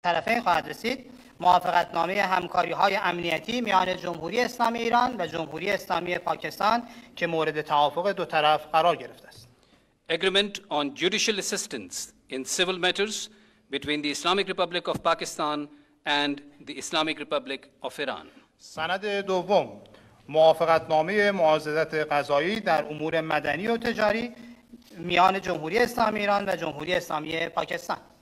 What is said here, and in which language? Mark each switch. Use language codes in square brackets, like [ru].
[fa] طرفین خواهد رسید، موافقت نامه همکاری های امنیتی میان جمهوری اسلامی ایران و جمهوری اسلامی پاکستان که مورد توافق دو طرف قرار گرفته است. [en] Agreement on judicial assistance in civil matters between the Islamic Republic of Pakistan and the Islamic Republic of Iran. [fa] سند دوم، موافقت نامه معاضدت قضایی در امور مدنی و تجاری میان جمهوری اسلامی ایران و جمهوری اسلامی پاکستان.